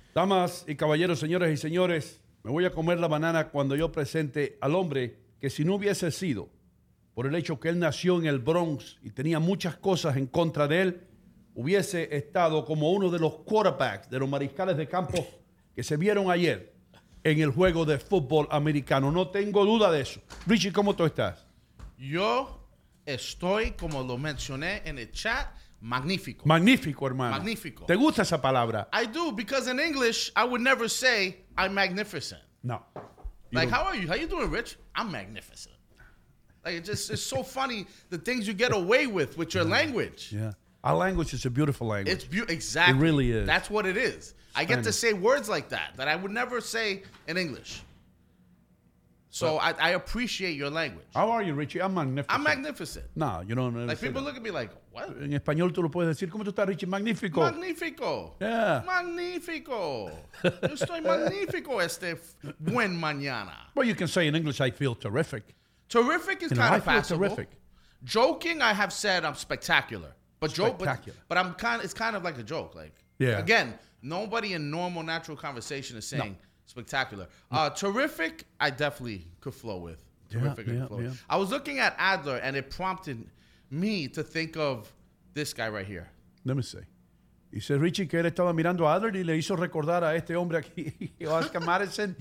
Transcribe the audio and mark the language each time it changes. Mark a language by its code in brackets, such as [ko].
[es] Damas y caballeros, señores y señores, me voy a comer la banana cuando yo presente al hombre que si no hubiese sido por el hecho que él nació en el Bronx y tenía muchas cosas en contra de él, hubiese estado como uno de los quarterbacks, de los mariscales de campo que se vieron ayer en el juego de fútbol americano. No tengo duda de eso. Richie, ¿cómo tú estás? Yo estoy, como lo mencioné en el chat, magnífico. Magnífico, hermano. Magnífico. ¿Te gusta esa palabra? [en] I do, because in English, I would never say I'm magnificent. No. Like, how are you? How you doing, Rich? I'm magnificent. Like it's so funny the things you get away with your language. Yeah, our language is a beautiful language. It's beautiful, exactly. It really is. That's what it is. Spanish. I get to say words like that I would never say in English. So but, I appreciate your language. How are you, Richie? I'm magnificent. I'm magnificent. No, you don't understand. Like people look at me like, what? [es] En español tú lo puedes decir. ¿Cómo tú estás, Richie? Magnífico. Magnífico. [en] Yeah. [es] Magnífico. Yo estoy magnífico este buen mañana. [en] Well, you can say in English, I feel terrific. Terrific is kind of passable. Terrific. Joking, I have said I'm spectacular. But spectacular. But I'm kind. It's kind of like a joke. Like, yeah. Again, nobody in normal, natural conversation is saying spectacular. No. Terrific, I definitely could flow with. Yeah. I was looking at Adler, and it prompted me to think of this guy right here. Let me see. [es] Dice Richie que él estaba mirando a Adler y le hizo recordar a este hombre aquí, Oscar Madison.